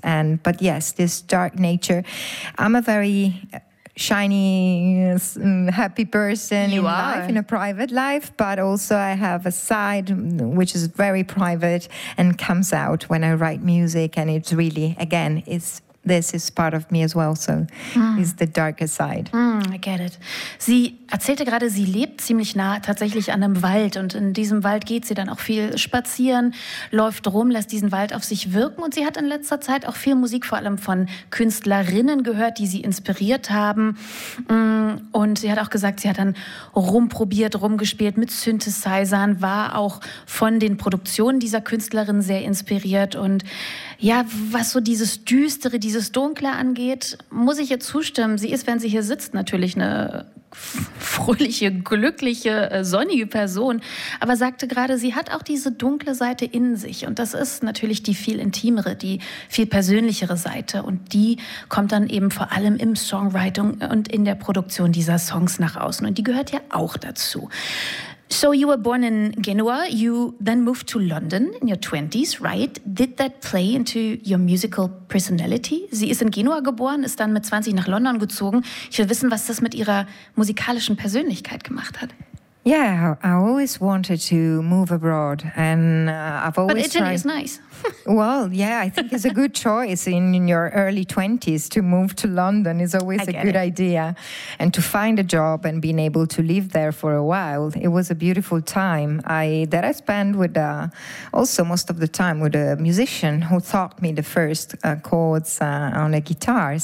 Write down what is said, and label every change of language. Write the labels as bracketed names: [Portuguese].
[English] But yes, this dark nature. I'm a very shiny, happy person in a private life, but also I have a side which is very private and comes out when I write music, and it's really, again, this is part of me as well, so is the darker side. I get it. [German] Sie erzählte gerade, sie lebt ziemlich nah tatsächlich an einem Wald, und in diesem Wald geht sie dann auch viel spazieren, läuft rum, lässt diesen Wald auf sich wirken, und sie hat in letzter Zeit auch viel Musik, vor allem von Künstlerinnen, gehört, die sie inspiriert haben. Und sie hat auch gesagt, sie hat dann rumprobiert, rumgespielt mit Synthesizern, war auch von den Produktionen dieser Künstlerinnen sehr inspiriert. Und ja, was so dieses Düstere, dieses Dunkle angeht, muss ich ihr zustimmen. Sie ist, wenn sie hier sitzt, natürlich eine fröhliche, glückliche, sonnige Person, aber sagte gerade, sie hat auch diese dunkle Seite in sich, und das ist natürlich die viel intimere, die viel persönlichere Seite, und die kommt dann eben vor allem im Songwriting und in der Produktion dieser Songs nach außen, und die gehört ja auch dazu. [English] So you were born in Genoa, you then moved to London in your 20s, right? Did that play into your musical personality? [German] Sie ist in Genoa geboren, ist dann mit 20 nach London gezogen. Ich will wissen, was das mit ihrer musikalischen Persönlichkeit gemacht hat. [English] Yeah, I always wanted to move abroad, and I've always tried. But Italy is nice. Well, yeah, I think it's a good choice in your early 20s to move to London. It's always a good idea. And to find a job and being able to live there for a while, it was a beautiful time that I spent with, also most of the time with a musician who taught me the first chords on a guitar.